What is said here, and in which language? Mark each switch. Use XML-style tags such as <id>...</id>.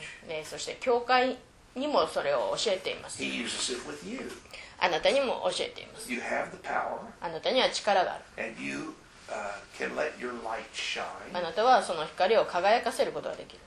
<ja>ね、そして教会にもそれを教えています。</ja> <en>He uses it with you.</en> <ja>あなたにも教えています。</ja> <en>You have the power.</en> <ja>あなたには力がある。</ja> <en>And you, can let your light shine.</en> <ja>あなたはその光を輝かせることができる。</ja>